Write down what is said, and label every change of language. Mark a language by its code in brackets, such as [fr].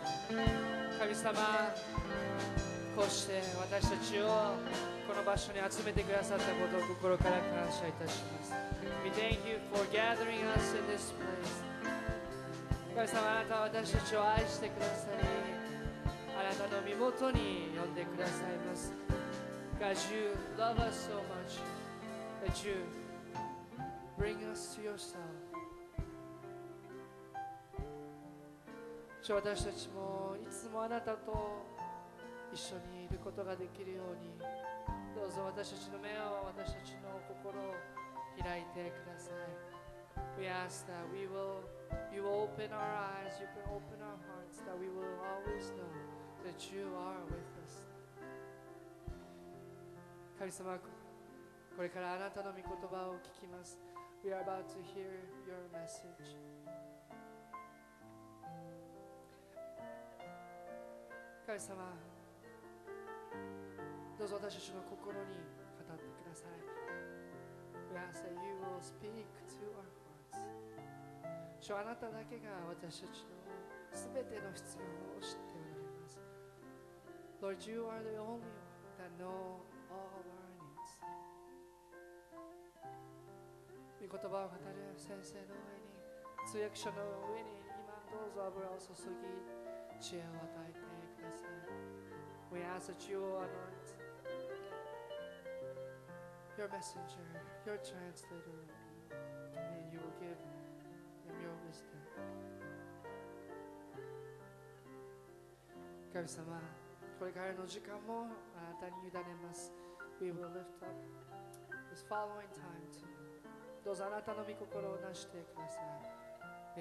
[ja] こうして私たちをこの場所に集めてくださったことを心から感謝いたします。 [en] We thank you for gathering us in this place。 [ja] 神様、あなたは私たちを愛してくださり、あなたの身元に呼んでくださいます。 [en] God, you love us so much that you bring us to yourself。 [ja] 私たちもいつもあなたと一緒にいることができるように、どうぞ私たちの目を、私たちの心を開いてください。 [en] We ask that we will, you will open our eyes, you can open our hearts, that we will always know that you are with us。 [ja] 神様、これからあなたの御言葉を聞きます。 [en] We are about to hear your message。 [ja] 神様、どうぞ私たちの心に語ってください。 [en] We ask that you will speak to our hearts。 [ja] 主、あなただけが私たちの全ての必要を知っております。 [en] Lord, you are the only one that know all our needs。 [ja] 御言葉を語る先生の上に、通訳者の上に、今どうぞ油を注ぎ、知恵を与えてください。 [en] We ask that you will anoint your messenger, your translator, and you will give him your wisdom。 [ja] 神様、これからの時間もあなたに委ねます。 [en] We will lift up this following time to you。 [ja] どうぞあなたの御心を成してください。